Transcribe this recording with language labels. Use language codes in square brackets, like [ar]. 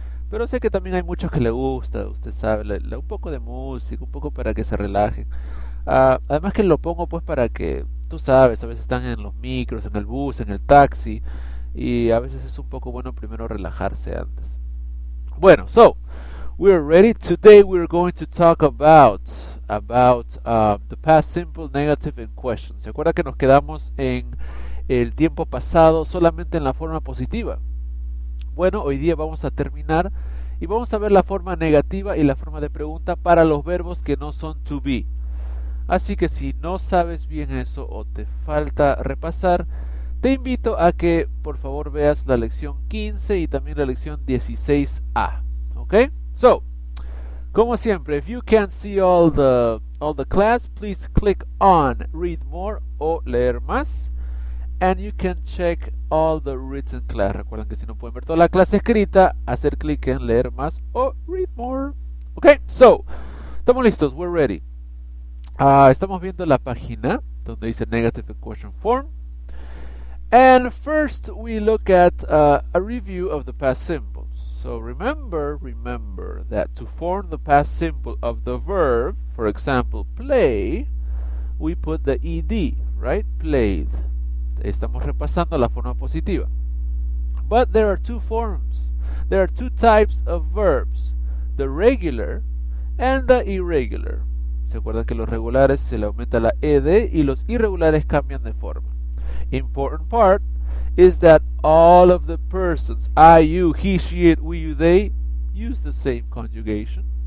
[es] Pero sé que también hay muchos que le gusta, usted sabe, un poco de música, un poco para que se relajen. Además que lo pongo pues para que, tú sabes, a veces están en los micros, en el bus, en el taxi, y a veces es un poco bueno primero relajarse antes. [en] Bueno, so, we're ready. Today we're going to talk about the past simple, negative, and questions. [es] ¿Se acuerda que nos quedamos en el tiempo pasado solamente en la forma positiva? Bueno, hoy día vamos a terminar y vamos a ver la forma negativa y la forma de pregunta para los verbos que no son to be. Así que si no sabes bien eso o te falta repasar, te invito a que por favor veas la lección 15 y también la lección 16A. [en] ¿Ok? So, [es] como siempre, [en] if you can't see all the class, please click on read more [es] o leer más. [en] And you can check all the written class. [es] Recuerden que si no pueden ver toda la clase escrita, hacer clic en leer más o [en] read more. [es] Ok, so, estamos listos, [en] we're ready. [es] Estamos viendo la página donde dice [en] negative and question form. And first we look at a review of the past simple. So remember that to form the past simple of the verb, for example, play, we put the ed, right? Played. [es] Estamos repasando la forma positiva. [en] But there are two forms. There are two types of verbs. the regular and the irregular. [es] ¿Se acuerdan que los regulares se le aumenta la ed y los irregulares cambian de forma? [en] Important part is that all of the persons, I, you, he, she, it, we, you, they, use the same conjugation.